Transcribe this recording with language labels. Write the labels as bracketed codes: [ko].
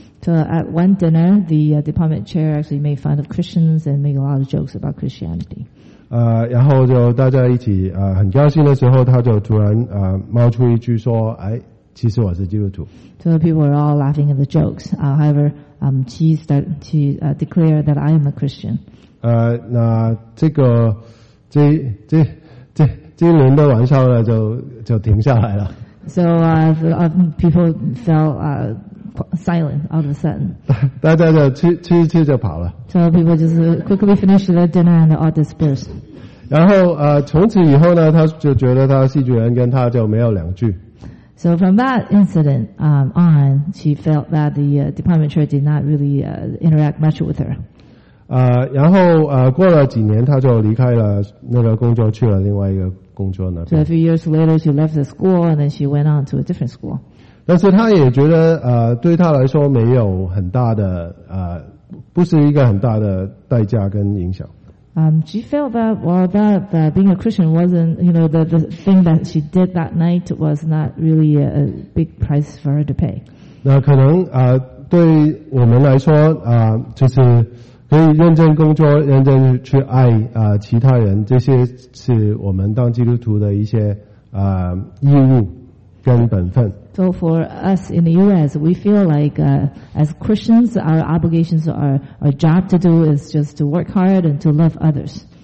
[en] So at one dinner, the department chair actually made fun of Christians and made a lot of jokes about Christianity. [zh] 然后就大家一起很高兴的时候，他就突然冒出一句说：“哎，其实我是基督徒。 [en] So people were all laughing at the jokes. However, she declared that I am a Christian. [zh] 那这个这一轮的玩笑呢，就停下来了。 [en] So people fell silent all of a sudden. [zh] 大家就吃就跑了。 [en] So people just quickly finished their dinner and all dispersed. [zh] 然后从此以后呢，他就觉得他戏剧人跟他就没有两句。 [en] So from that incident on, she felt that the department chair did not really interact much with her. [zh] 然后过了几年，他就离开了那个工作，去了另外一个工作呢。 [en] So a few years later, she left the school and then she went on to a different school. [zh] 但是他也觉得对他来说没有很大的不是一个很大的代价跟影响。 [en] She felt that being a Christian wasn't, you know, the thing that she did that night was not really a big price for her to pay. [zh] 那可能对我们来说就是可以认真工作，认真去爱其他人，这些是我们当基督徒的一些义务跟本分。 [en] So for us in the U.S., we feel like as Christians, our obligations, our job to do is just to work hard and to love others.